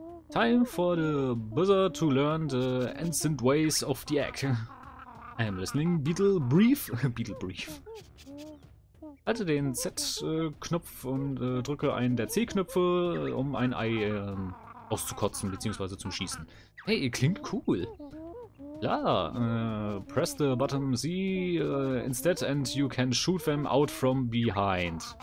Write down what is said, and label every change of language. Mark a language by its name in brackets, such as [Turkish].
[English] Time for the buzzer to learn the ancient ways of the egg. I'm listening. Beetle Brief. Beetle Brief. [German] Halte den Z-Knopf und drücke einen der C-Knöpfe, um ein Ei auszukotzen bzw. zum Schießen. Hey, klingt cool. [English] Yeah. Press the button Z instead and you can shoot them out from behind.